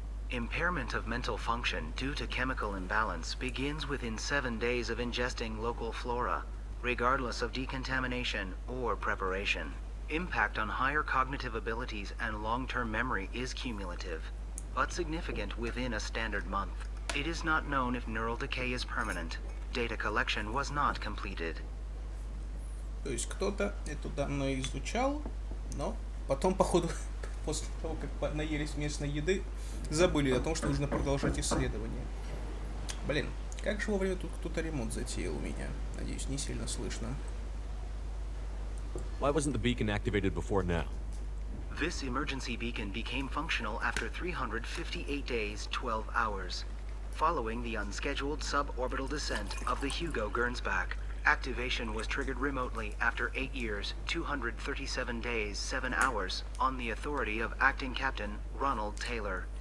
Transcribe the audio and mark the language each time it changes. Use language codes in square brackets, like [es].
[en] Impairment of mental function due to chemical imbalance begins within 7 days of ingesting local flora, regardless of decontamination or preparation. Impact on higher cognitive abilities and long-term memory is cumulative, but significant within a standard month. It is not known if neural decay is permanent. Data collection was not completed. [ru] То есть кто-то эту данную изучал, но потом, походу, после того, как наелись местной еды, забыли о том, что нужно продолжать исследование. Блин, как же вовремя тут кто-то ремонт затеял у меня. Надеюсь, не сильно слышно. [en] Why wasn't the beacon activated before now? This emergency beacon became functional after 358 days, 12 hours. Following the unscheduled suborbital descent of the Hugo Gernsback, activation was triggered remotely after 8 years, 237 days, 7 hours, on the authority of Acting Captain Ronald Taylor.